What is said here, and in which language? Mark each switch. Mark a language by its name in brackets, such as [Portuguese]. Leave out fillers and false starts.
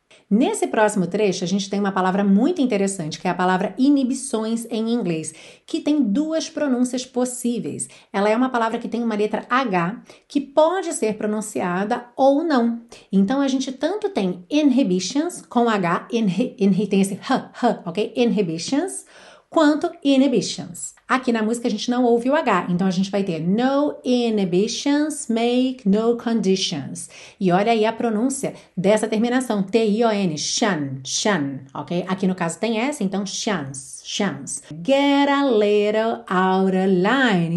[Portuguese] Nesse próximo trecho, a gente tem uma palavra muito interessante, que é a palavra inibições em inglês, que tem duas pronúncias possíveis. Ela é uma palavra que tem uma letra H, que pode ser pronunciada ou não. Então, a gente tanto tem inhibitions com H, tem esse h, ok? Inhibitions, quanto inhibitions. Aqui na música, a gente não ouve o H, então a gente vai ter [English] no inhibitions, make no conditions. [Portuguese] E olha aí a pronúncia dessa terminação, T-I-O-N, shun, shun, ok? Aqui no caso tem S, então shuns, shuns. [English] Get a little out of line.